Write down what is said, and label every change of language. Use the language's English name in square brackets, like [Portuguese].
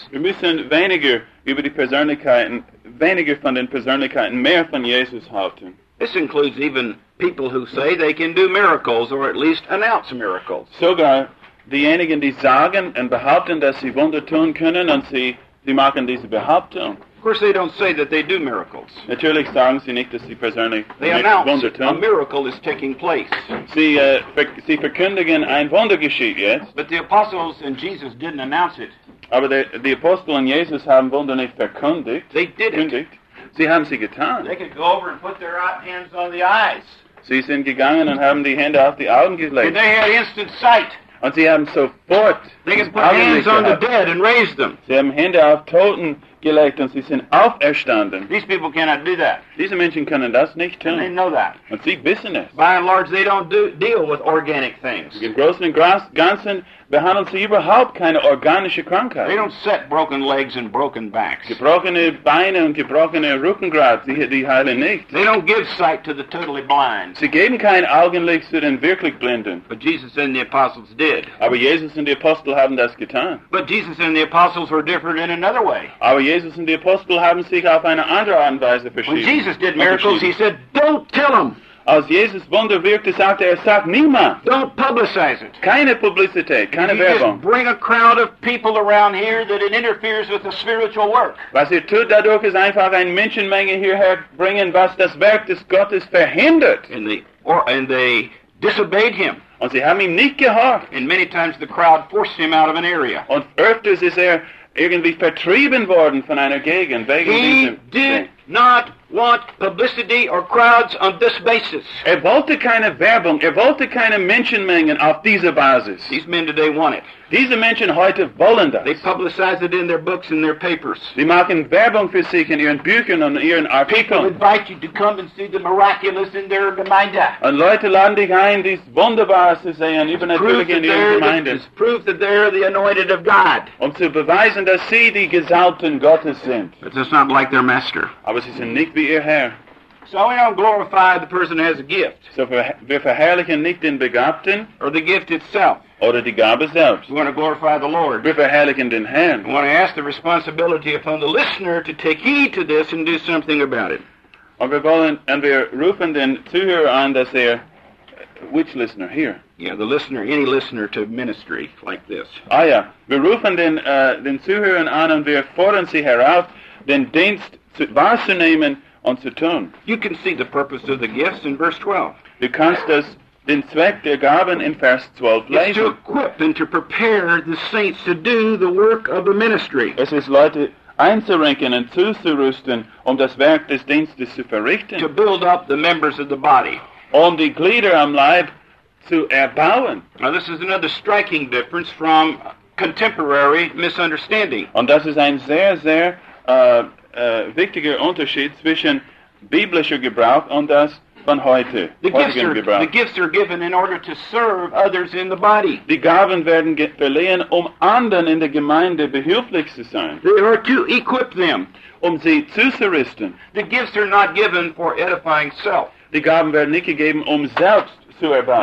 [German] Wir müssen weniger über die Persönlichkeiten, weniger von den Persönlichkeiten, mehr von Jesus halten. [English] This includes even people who say they can do miracles or at least announce miracles. [German] Sogar diejenigen, die sagen und behaupten, dass sie Wunder tun können, und sie machen diese Behauptung. [English] Of course, they don't say that they do miracles. [German] Natürlich sagen sie nicht, dass sie persönlich [English] they announce a miracle is taking place. [German] Sie verkündigen ein Wunder geschieht, [English] yes? But the apostles and Jesus didn't announce it. [German] Aber die Apostel und Jesus haben Wunder nicht verkündigt. [English] They did it. [German] Sie haben sie getan. [English] They could go over and put their hands on the eyes. [German] Sie sind gegangen und haben die Hände auf die Augen gelegt. [English] And they had instant sight. [German] Und sie haben sofort [English] they can put hands [German] gehabt. [English] On the dead and raise them. [German] Sie haben Hände auf Toten gelegt und sie sind auferstanden. [English] These people cannot do that. [German] Diese Menschen können das nicht tun. [English] And they know that. [German] Und sie wissen es. [English] By and large, they don't deal with organic things. [German] Im Großen und Ganzen behandeln sie überhaupt keine organische Krankheit. [English] They don't set broken legs and broken backs. [German] Gebrochene Beine und gebrochene Rückengrat, die heilen nicht. [English] They don't give sight to the totally blind. [German] Sie geben kein Augenlicht zu den wirklich Blinden. [English] But Jesus and the apostles did. [German] Aber Jesus und die Apostel haben das getan. [English] But Jesus and the apostles were different in another way. [German] Aber Jesus und die Apostel haben sich auf eine andere Art und Weise verschieden. [English] When Jesus did miracles, he said, don't tell them. [German] Als Jesus Wunder wirkte, sagte er, sag niemand. [English] Don't publicize it. [German] Keine Publizität, keine [English] you [German] Werbung. [English] Just bring a crowd of people around here that it interferes with the spiritual work. [German] Was ihr tut, dadurch ist einfach ein Menschenmenge hierher bringen, was das Werk des Gottes verhindert. [English] And they disobeyed him. [German] Und sie haben ihm nicht gehorcht. [English] And many times the crowd forced him out of an area. [German] Und öfters ist er irgendwie vertrieben worden von einer Gegend. [English] He did not want publicity or crowds on this basis. [German] Er wollte keine Werbung, er wollte keine Menschenmengen auf dieser Basis. [English] These men today want it. [German] Diese Menschen heute wollen das. [English] They publicize it in their books and their papers. [German] Sie machen Werbung für sich in ihren Büchern und ihren Artikeln. [English] People invite you to come and see the miraculous in their Gemeinde. [German] Und Leute laden dich ein, dies Wunderbare zu sehen, übernatürlich in ihren Gemeinden. [English] It's proof that they're the anointed of God. [German] Um zu beweisen, dass sie die Gesalbten Gottes sind. [English] But it's not like their master. [German] Aber sie sind nicht wie ihr Herr. [English] So we don't glorify the person who has a gift. [German] So wir verherrlichen nicht den Begabten. [English] Or the gift itself. [German] Oder die Gabe selbst. [English] We want to glorify the Lord. [German] Wir verherrlichen den Herrn. [English] We want to ask the responsibility upon the listener to take heed to this and do something about it. [German] Und wir wollen, und wir rufen den Zuhörer an, dass er, [English] which listener here? Yeah, the listener, any listener to ministry like this. [German] Ah ja, wir rufen den, den Zuhörer an und wir fordern sie herauf, den Dienst zu, wahrzunehmen, und zu tun. [English] You can see the purpose of the gifts in verse 12. [German] Du kannst das, den Zweck der Gaben in Vers 12 lesen. [English] It's to equip and to prepare the saints to do the work of the ministry. [German] Es ist Leute einzurenken und zuzurüsten, um das Werk des Dienstes zu verrichten. [English] To build up the members of the body. [German] Um die Glieder am Leib zu erbauen. [English] Now this is another striking difference from contemporary misunderstanding. [German] Und das ist ein sehr, sehr wichtiger Unterschied zwischen biblischer Gebrauch und das von heute. [English] The gifts are given in order to serve others in the body. [German] Die Gaben werden verliehen, um anderen in der Gemeinde behilflich zu sein. [English] They are to equip them. [German] Um sie zuzurüsten. [English] The gifts are not given for edifying self. [German] Die Gaben werden nicht gegeben, um selbst zu erbauen.